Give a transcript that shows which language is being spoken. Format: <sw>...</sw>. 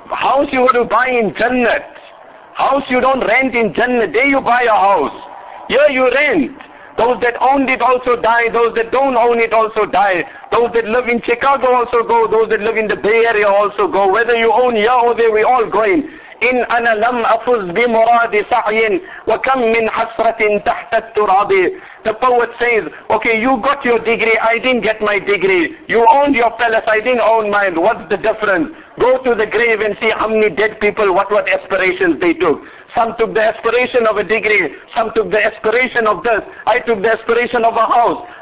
<en>House you want to buy in Jannah? House you don't rent in Jannah. There you buy a house. Here you rent. Those that owned it also die. Those that don't own it also die. Those that live in Chicago also go. Those that live in the Bay Area also go. Whether you own here or there, we're all going.</en> <ar>إن أنا لم أفز بمراد سعي وكم من حسرة تحت التراب.</ar> <en>The poet says, okay, you got your degree, I didn't get my degree. You owned your palace, I didn't own mine. What's the difference? Go to the grave and see how many dead people, what aspirations they took. Some took the aspiration of a degree, some took the aspiration of this, I took the aspiration of a house.</en>